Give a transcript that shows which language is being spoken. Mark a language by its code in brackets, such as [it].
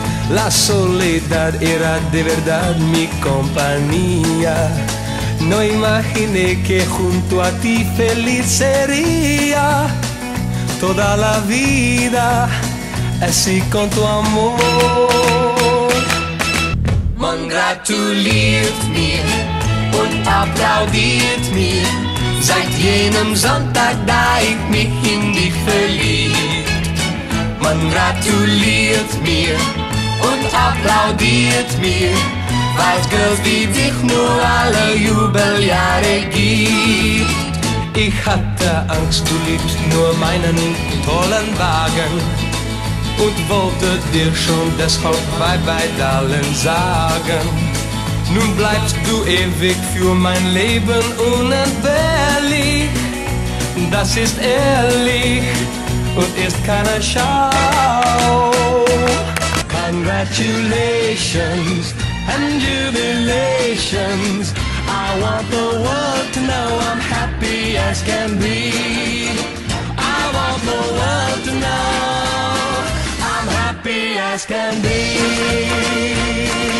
[es] La soledad era de verdad mi compañía. No imaginé que junto a ti feliz sería toda la vida, así con tu amor. [de] Mongratuliert mir und applaudiert mir seit jenem Sonntag, da ich mich in dich verliebt. Mongratuliert mir und applaudiert mir, weil Girls wie dich nur alle Jubeljahre gibt. Ich hatte Angst, du liebst nur meinen tollen Wagen und wollte dir schon deshalb [en] Bye-bye, Darling, [de] sagen. Nun bleibst du ewig für mein Leben unentbehrlich. Das ist ehrlich und ist keine Schau. [en] Congratulations and jubilations, I want the world to know I'm happy as can be. I want the world to know I'm happy as can be.